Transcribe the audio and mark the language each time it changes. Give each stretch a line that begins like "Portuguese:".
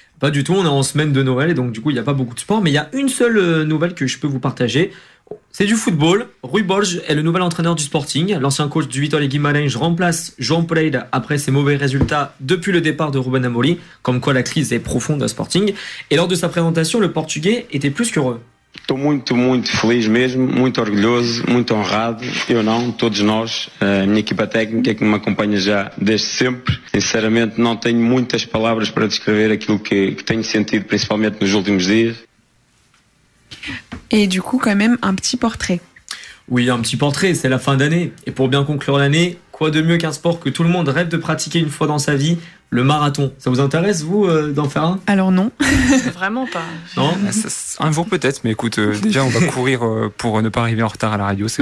French: Pas du tout, on est en semaine de Noël et donc du coup, il n'y a pas beaucoup de sport. Mais il y a une seule nouvelle que je peux vous partager. C'est du football. Rui Borges est le nouvel entraîneur du Sporting. L'ancien coach du Vitória Guimarães remplace João Pereira après ses mauvais résultats depuis le départ de Ruben Amorim. Comme quoi, la crise est profonde au Sporting. Et lors de sa présentation, le Portugais était plus qu'heureux.
Portuguese: Estou muito, muito feliz mesmo, muito orgulhoso, muito honrado. Eu não, todos nós, a minha equipa técnica que me acompanha já desde sempre. Sinceramente, não tenho muitas palavras para descrever aquilo que tenho sentido, principalmente nos últimos dias.
French: E, du coup, quand même, un petit portrait. Oui, un petit portrait, c'est la fin d'année. Et pour bien conclure l'année, quoi de mieux qu'un sport que tout le monde rêve de pratiquer une fois dans sa vie, le marathon. Ça vous intéresse, vous, d'en faire un ? Alors non. Vraiment pas. Non ? Un jour peut-être, mais écoute, déjà, on va courir pour ne pas arriver en retard à la radio, c'est